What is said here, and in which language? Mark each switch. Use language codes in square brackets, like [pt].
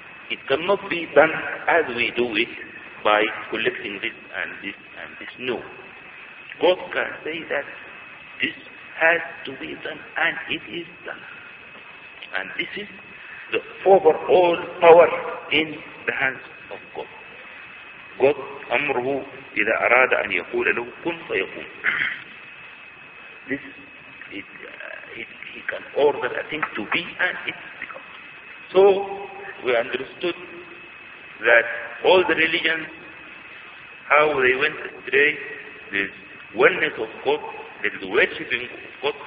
[en] It cannot be done as we do it by collecting this and this and this. No. God can say that this has to be done and it is done. And this is the overall power in the hands of God. [ar] God أمره إذا أراد أن يقول له كن فيكون. [en] He can order a thing to be and it becomes. So we understood that all the religions, how they went astray, this oneness of God, the worshiping of God.